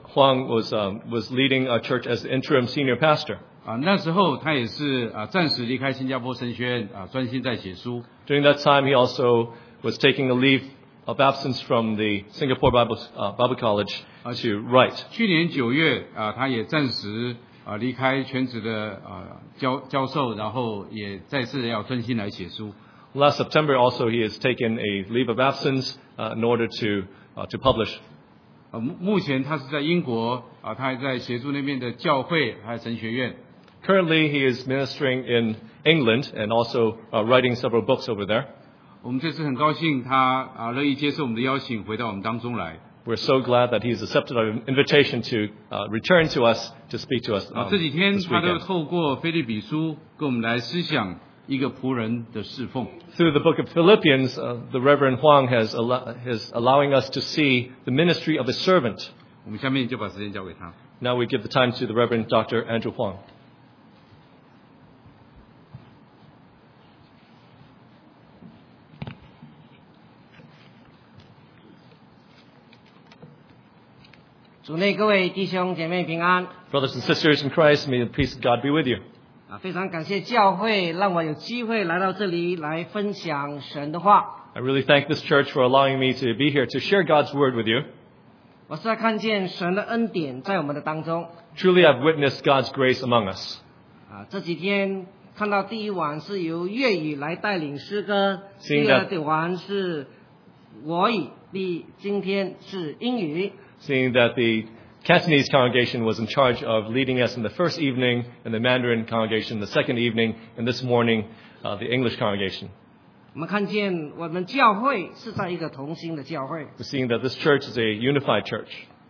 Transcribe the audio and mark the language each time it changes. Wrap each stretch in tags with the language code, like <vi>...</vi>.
<en>Huang was leading a church as the interim senior pastor.</en> <zh>那时候他也是暂时离开新加坡神学院专心在写书。</zh> <en>During that time, he also was taking a leave of absence from the Singapore Bible College to write.</en> <zh>去年九月他也暂时离开全职的教授，然后也再次要专心来写书。</zh> <en>Last September, also he has taken a leave of absence in order to publish.</en> <zh>目前他是在英国他还在协助那边的教会还有神学院。</zh> <en>Currently, he is ministering in England and also writing several books over there.</en> <zh>我们这次很高兴他乐意接受我们的邀请回到我们当中来。</zh> <en>We're so glad that he has accepted our invitation to return to us to speak to us.</en> <zh>这几天他都透过腓立比书跟我们来思想一个仆人的侍奉。</zh> <en>Through the book of Philippians, the Reverend Huang is allowing us to see the ministry of a servant.</en> <zh>我们下面就把时间交给他。</zh> <en>Now we give the time to the Reverend Dr. Andrew Huang. Brothers and sisters in Christ, may the peace of God be with you.</en> <zh>非常感谢教会让我有机会来到这里来分享神的话。</zh> <en>I really thank this church for allowing me to be here to share God's word with you.</en> <zh>我是在看见神的恩典在我们的当中。</zh> <en>Truly, I've witnessed God's grace among us.</en> <zh>这几天看到第一晚是由粤语来带领诗歌，第二晚是国语，今天是英语。</zh> <en>Seeing that the Cantonese congregation was in charge of leading us in the first evening, and the Mandarin congregation the second evening, and this morning, the English congregation. We're seeing that this church is a unified church.</en>